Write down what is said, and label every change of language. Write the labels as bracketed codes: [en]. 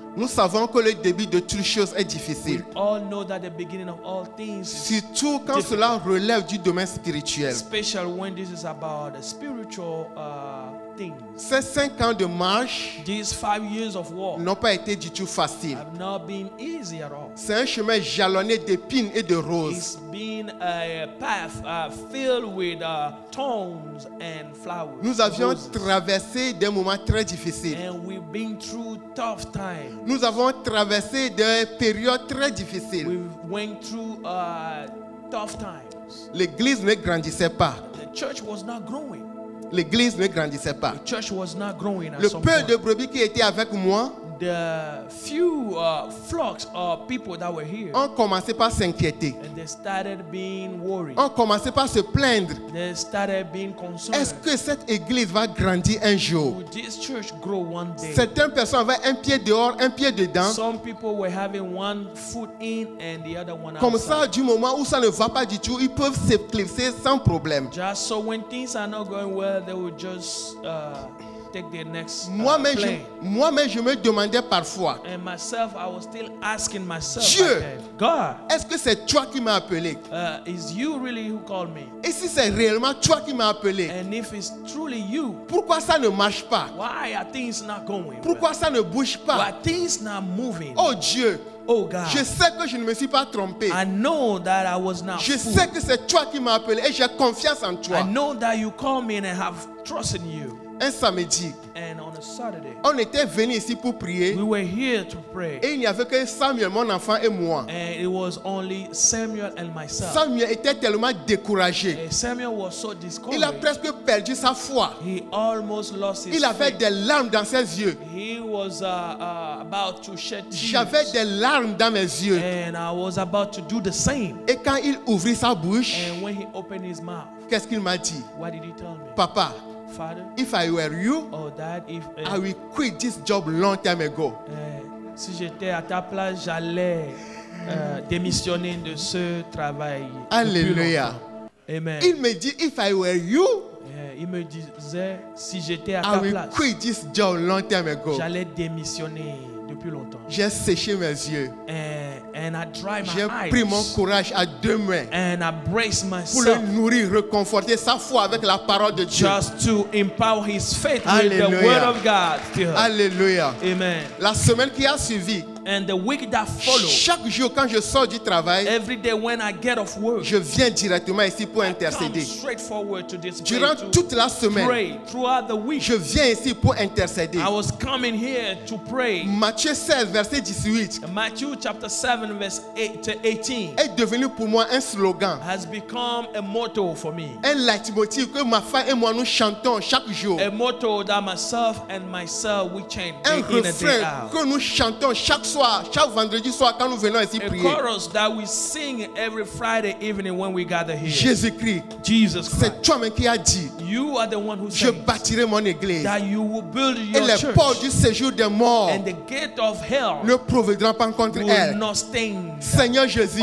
[fr] Nous savons que le début de toutes choses est difficile. [en] We all know that the beginning of all things is [fr] surtout quand [en] difficult. [fr] Cela relève du domaine spirituel. [en] Especially when this is about the spiritual things. [fr] Ces cinq ans de marche [en] these 5 years of war [fr] n'ont pas été du tout faciles. [en] Have not been easy at all. [fr] C'est un chemin jalonné d'épines et de roses. [en] It's been a path filled with thorns and flowers. [fr] Nous avions traversé des moments très difficiles. [en] And we've been through tough times. [fr] Nous avons traversé des périodes très difficiles. [en] We went through tough times. [fr] L'église ne grandissait pas. [en] The church was not growing. [fr] L'église ne grandissait pas. [en] The church was not growing at [fr] le [en] some [fr] peu [en] point. [fr] De brebis qui était avec moi. [en] The few flocks of people that were here. [fr] On commençait par s'inquiéter. [en] And they started being worried. [fr] On commençait par se plaindre. [en] They started being concerned. [fr] Est-ce que cette église va grandir un jour? [en] Will this church grow one day? [fr] Certaines personnes avaient un pied dehors, un pied dedans. [en] Some people were having one foot in and the other one [fr] comme [en] outside. [fr] Comme ça, du moment où ça ne va pas du tout, ils peuvent s'éclipser sans problème. [en] Just so when things are not going well, they will just take their next [fr] moi-même, je me demandais parfois. [en] And myself, I was still asking myself. [fr] Dieu, [en] God, [fr] est-ce que c'est toi qui m'as appelé? [en] Is you really who called me? [fr] Et si c'est réellement toi qui m'as appelé? [en] And if it's truly you, [fr] pourquoi ça ne marche pas? [en] Why are things not going? [fr] Pourquoi ça ne bouge pas? [en] Why are things not moving? [fr] Oh Dieu. [en] Oh God, [fr] je sais que je ne me suis pas trompé. [en] I know that I was not [fr] je [en] fooled. [fr] Sais que c'est toi qui m'as appelé et j'ai confiance en toi. [en] I know that you called me and I have trust in you. [fr] Un samedi, [en] and on a Saturday, [fr] on était venu ici pour prier. [en] We were here to pray. [fr] Et il n'y avait que Samuel, mon enfant et moi. [en] And it was only Samuel and myself. [fr] Samuel était tellement découragé. [en] And Samuel was so discouraged. [fr] Il a presque perdu sa foi. [en] He almost lost his [fr] il avait [en] faith. [fr] Des larmes dans ses yeux. [en] He was about to shed tears. [fr] J'avais des larmes dans mes yeux. [en] And I was about to do the same. [fr] Et quand il ouvrit sa bouche, [en] and when he opened his mouth, [fr] qu'est-ce qu'il m'a dit? [en] What did he tell me? [fr] Papa. [en] Father, if I were you, or that if, I would quit this job long time ago. [fr] Si j'étais à ta place, j'allais démissionner de ce travail. Alléluia. [en] Amen. [fr] Il me dit, [en] if I were you, [fr] il me disait, si j'étais à ta place, [en] quit this job long time ago. [fr] J'allais démissionner depuis longtemps. J'ai séché mes yeux. [en] And I dry my [fr] j'ai [en] eyes. [fr] Pris mon courage à deux mains. [en] And I brace myself. [fr] Pour le nourrir, réconforter sa foi avec la parole de Dieu. [en] Just to empower his faith. Alléluia. With the word of God. [fr] Alléluia. [en] Amen. [fr] La semaine qui a suivi. [en] And the week that follows, [fr] chaque jour quand je sors du travail, [en] every day when I get off work, [fr] je viens directement ici pour intercéder. [en] I come straight forward to this [fr] durant [en] to [fr] toute la semaine, [en] pray throughout the week, [fr] je viens ici pour intercéder. [en] I was coming here to pray. [fr] Matthieu 16 verset 18. [en] Matthew chapter 7 verse 18 [fr] est devenu pour moi un slogan. [en] Has become a motto for me. [fr] Un leitmotiv que ma femme et moi nous chantons chaque jour. [en] A motto that myself and myself we chant day in and day out. [fr] Que nous chantons chaque soir, chaque vendredi soir quand nous venons ici prier. [en] A chorus that we sing every Friday evening when we gather here. [fr] Jésus-Christ, [en] Jesus Christ, [fr] c'est toi-même qui as dit, [en] you are the one who said, [fr] je bâtirai mon église, [en] that you will build your [fr] et les [en] church, [fr] portes du séjour des morts, [en] and the gate of hell [fr] ne proviendront pas contre elle. [en] Will not stand, [fr] Seigneur Jésus,